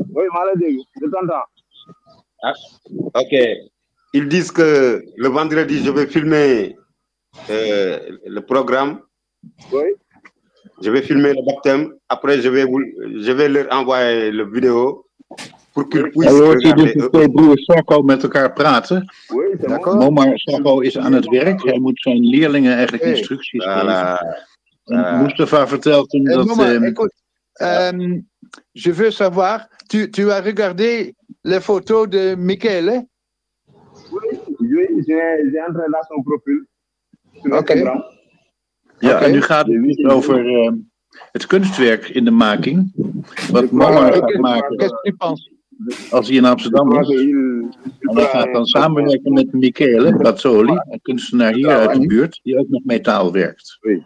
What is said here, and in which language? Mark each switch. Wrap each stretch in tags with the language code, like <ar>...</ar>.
<fr>Oui, malade, je t'entends. Ah, ok. Ils disent que le vendredi, je vais filmer. Le programme. Oui. Je vais filmer le baptême. Après, je vais leur envoyer le vidéo pour qu'ils puissent. Alors, si</fr> <nl>de twee broers Sacco met elkaar praten.</nl> <fr>Oui, d'accord.</fr> <nl>Momar Sacco is aan het werk. Hij moet zijn leerlingen eigenlijk instructies geven.</nl> <fr>Voilà.</fr> <nl>Mustafa vertelt hem dat.</nl> <fr>Momar, je veux savoir. Tu as regardé les photos de Michel? Oui. J'ai un relat sur mon profil.</fr> <nl>Okay. Ja, okay. En nu gaat het over het kunstwerk in de making. Wat Mama gaat maken. Als hij in Amsterdam is. En hij gaat dan samenwerken met Michele Bazzoli, een kunstenaar hier uit de buurt, die ook met metaal werkt.</nl>